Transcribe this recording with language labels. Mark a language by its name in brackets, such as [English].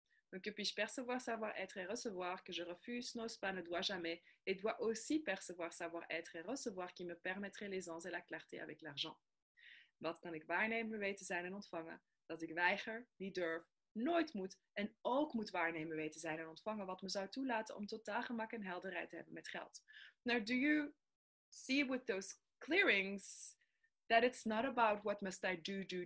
[French] Donc, que puis-je percevoir, savoir, être et recevoir, que je refuse, n'ose pas, ne dois jamais, et dois aussi percevoir, savoir, être et recevoir, qui me permettrait l'aisance et la clarté avec l'argent. [Dutch] Wat kan ik waarnemen, weten, zijn en ontvangen, dat ik weiger, niet durf, nooit moet en ook moet waarnemen, weten, zijn en ontvangen wat me zou toelaten om totaal gemak en helderheid te hebben met geld. [English] Now, do you see with those clearings that it's not about what must I do?